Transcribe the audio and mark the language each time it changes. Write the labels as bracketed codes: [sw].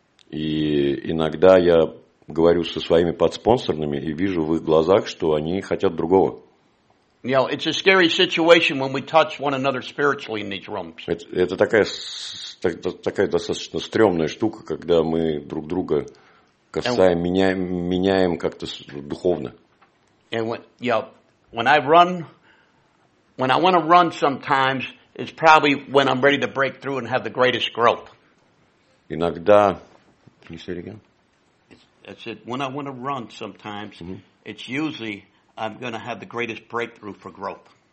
[ru] И иногда я говорю со своими подспонсорными и вижу в их глазах, что они хотят другого. [en] You know, it's a scary situation when we touch one another spiritually in these rooms. [ru] Это такая достаточно стрёмная штука, когда мы друг друга касаем, меняем как-то духовно. [en] And when, you know, when I want to run sometimes, it's probably when I'm ready to break through and have the greatest growth. [ru] Иногда... [en] Can you say it again? I said, when I want to run sometimes, mm-hmm. It's usually I'm going to have the greatest breakthrough for growth.